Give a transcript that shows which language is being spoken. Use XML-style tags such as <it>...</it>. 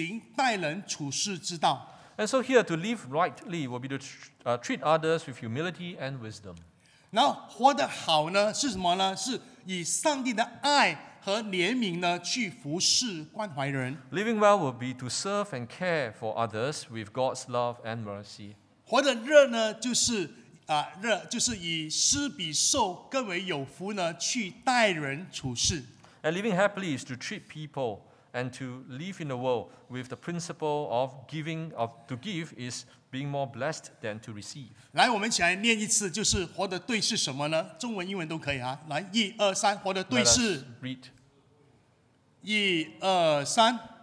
<zh>所以我整理了之后，我就认为说，活得对呢，就是以谦卑和智慧行待人处事之道。</zh> <en>And so here to live rightly will be to treat others with humility and wisdom.</en> <zh>然后活得好呢是什么呢？是以上帝的爱。和怜悯呢，去服侍关怀人。</zh> <en>Living well will be to serve and care for others with God's love and mercy.</en> <zh>活得热呢，就是以施比受更为有福呢，去待人处事。</zh> <en>And living happily is to treat people and to live in the world with the principle of giving, of to give is being more blessed than to receive.</en> <zh>来，我们一起来念一次，就是活得对是什么呢？中文、英文都可以啊。来，一二三，活得对是。</zh> <en>Read.</en> <zh>一二三。</zh>